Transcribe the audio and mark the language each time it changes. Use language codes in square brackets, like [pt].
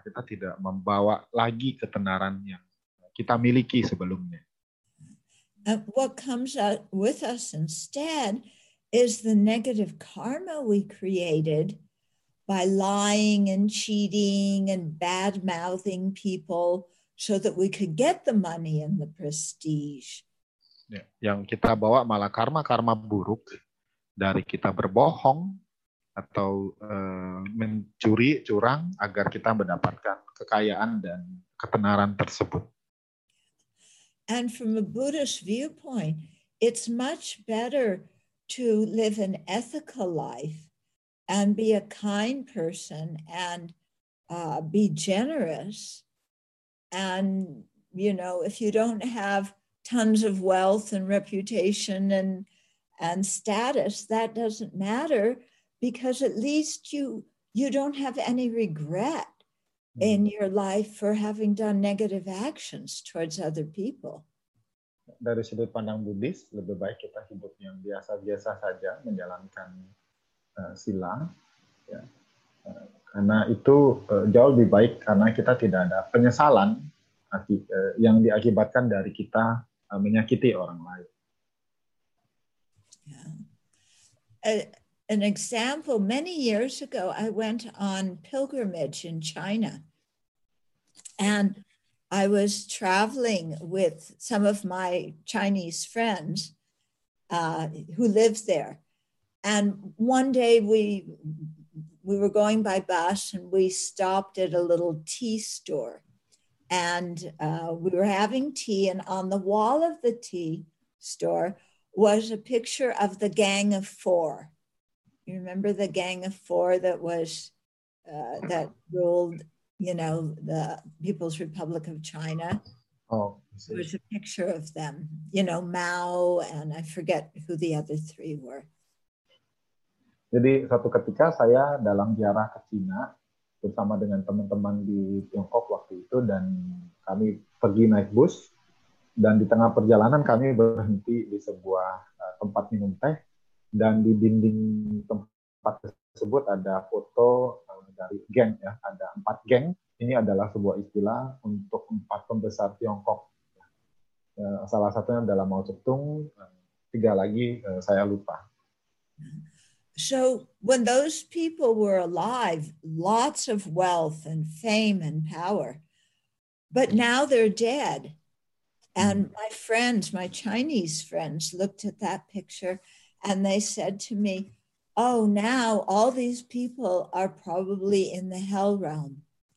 [id] Kita tidak membawa lagi ketenaran yang kita miliki sebelumnya. [en] And what comes out with us instead is the negative karma we created by lying and cheating and bad-mouthing people so that we could get the money and the prestige. [id] Ya, yang kita bawa malah karma-karma buruk dari kita berbohong atau mencuri, curang agar kita mendapatkan kekayaan dan ketenaran tersebut. [en] And from a Buddhist viewpoint, it's much better to live an ethical life and be a kind person and be generous. And, you know, if you don't have tons of wealth and reputation and status, that doesn't matter because at least you don't have any regret in your life for having done negative actions towards other people. [id] Dari sudut pandang Buddhis, lebih baik kita hidup yang biasa-biasa saja menjalankan sila. Ya. Karena itu jauh lebih baik karena kita tidak ada penyesalan yang diakibatkan dari kita menyakiti orang lain. [en] Yeah. An example, many years ago, I went on pilgrimage in China. And I was traveling with some of my Chinese friends who lived there. And one day we were going by bus and we stopped at a little tea store. And we were having tea and on the wall of the tea store was a picture of the Gang of Four. You remember the Gang of Four that was, that ruled, you know, the People's Republic of China? Oh, there was a picture of them, you know, Mao, and I forget who the other three were. [id] Jadi satu ketika saya dalam ziarah ke China, bersama dengan teman-teman di Tiongkok waktu itu, dan kami pergi naik bus, dan di tengah perjalanan kami berhenti di sebuah tempat minum teh, dan di dinding tempat tersebut ada foto dari geng, ya, ada 4 geng. Ini adalah sebuah istilah untuk 4 pembesar Tiongkok. Salah satunya adalah Mao Zedong, 3 lagi saya lupa. [en] So when those people were alive, lots of wealth and fame and power. But now they're dead. And my friends, my Chinese friends, looked at that picture and they said to me, oh, now all these people are probably in the hell realm.